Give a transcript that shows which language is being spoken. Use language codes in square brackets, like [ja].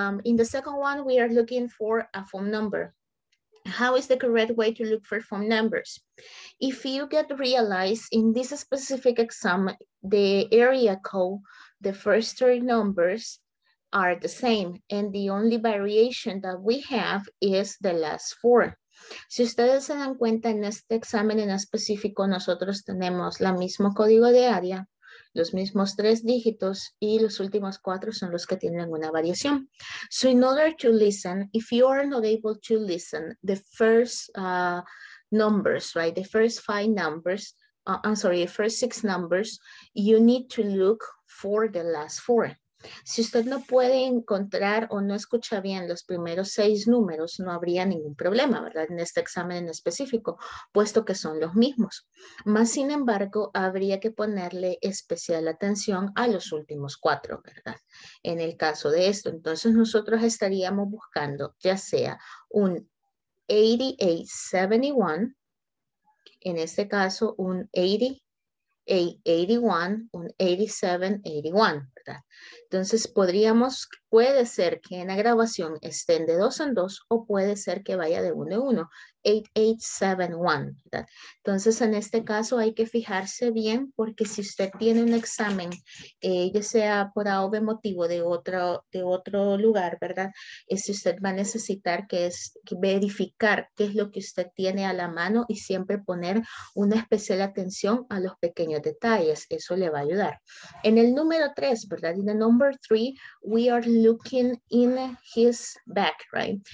[en] In the second one, we are looking for a phone number. How is the correct way to look for phone numbers? If you get realized in this specific exam, the area code, the first 3 numbers are the same. And the only variation that we have is the last 4. [es] Si ustedes se dan cuenta, en este examen en específico, nosotros tenemos el mismo código de área, los mismos 3 dígitos y los últimos 4 son los que tienen una variación. So in order to listen, if you are not able to listen the first numbers, right, the first 5 numbers, the first 6 numbers, you need to look for the last 4. Si usted no puede encontrar o no escucha bien los primeros 6 números, no habría ningún problema, ¿verdad? En este examen en específico, puesto que son los mismos. Más sin embargo, habría que ponerle especial atención a los últimos 4, ¿verdad? En el caso de esto, entonces nosotros estaríamos buscando ya sea un 8871, en este caso un 8881, un 8781, ¿verdad? Entonces puede ser que en la grabación estén de 2 en 2 o puede ser que vaya de 1 en 1, 8871, ¿verdad? Entonces en este caso hay que fijarse bien porque si usted tiene un examen, ya sea por A o B motivo de otro lugar, ¿verdad? Si usted va a necesitar verificar qué es lo que usted tiene a la mano y siempre poner una especial atención a los pequeños detalles, eso le va a ayudar. En el número 3, ¿verdad? [en] In the number 3, we are looking in his back, right?